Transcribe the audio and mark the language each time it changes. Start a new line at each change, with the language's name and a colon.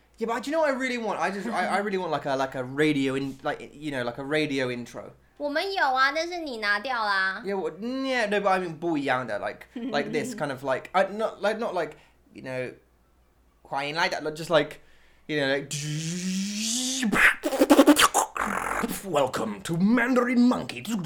English: Yeah, but do you know what I really want? I really want like a radio in, like, you know, like a radio intro.
Chinese: 我们有啊，但是你拿掉啦。
English: Yeah, well, yeah, no, but I mean,
Chinese: 不一样的,
English: like this kind of like, I, not like, not like, you know,
Chinese: 欢迎来到,
English: just like, you know, like, welcome to Mandarin Monkey.